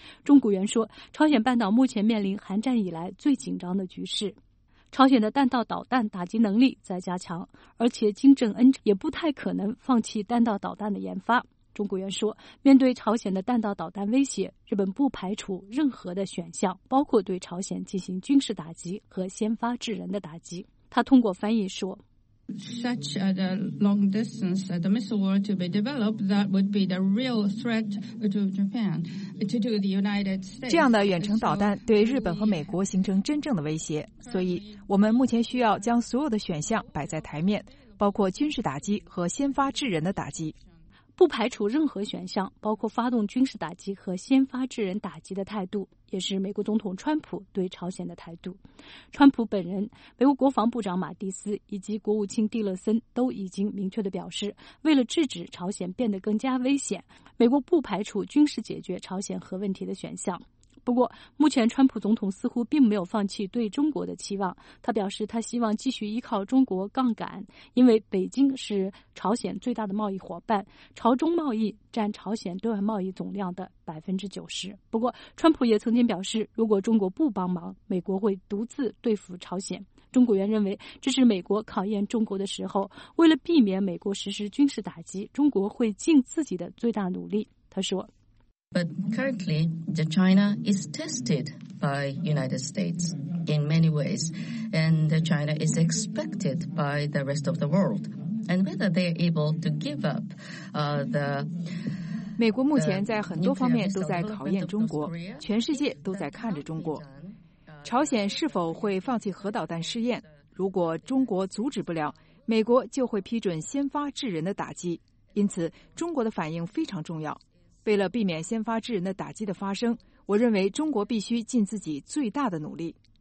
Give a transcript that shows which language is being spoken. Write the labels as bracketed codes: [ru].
[zh] 中谷元说，朝鲜半岛目前面临韩战以来最紧张的局势，朝鲜的弹道导弹打击能力在加强，而且金正恩也不太可能放弃弹道导弹的研发。中国元说，面对朝鲜的弹道导弹威胁，日本不排除任何的选项，包括对朝鲜进行军事打击和先发制人的打击。他通过翻译说， [en] Such a long distance the missile were to be developed, that would be the real threat to Japan. [zh] 这样的远程导弹对日本和美国形成真正的威胁，所以我们目前需要将所有的选项摆在台面，包括军事打击和先发制人的打击。不排除任何选项，包括发动军事打击和先发制人打击的态度，也是美国总统川普对朝鲜的态度。川普本人、美国国防部长马蒂斯以及国务卿蒂勒森都已经明确地表示，为了制止朝鲜变得更加危险，美国不排除军事解决朝鲜核问题的选项。不过，目前川普总统似乎并没有放弃对中国的期望。他表示，他希望继续依靠中国杠杆，因为北京是朝鲜最大的贸易伙伴，朝中贸易占朝鲜对外贸易总量的90%。不过，川普也曾经表示，如果中国不帮忙，美国会独自对付朝鲜。中国人认为，这是美国考验中国的时候，为了避免美国实施军事打击，中国会尽自己的最大努力。他说， [en] But currently, China is tested by United States in many ways, and China is expected by the rest of the world. And whether they are able to give up, the [zh] 美国目前在很多方面都在考验中国，全世界都在看着中国。朝鲜是否会放弃核导弹试验？如果中国阻止不了，美国就会批准先发制人的打击。因此，中国的反应非常重要。为了避免先发制人的打击的发生，我认为中国必须尽自己最大的努力。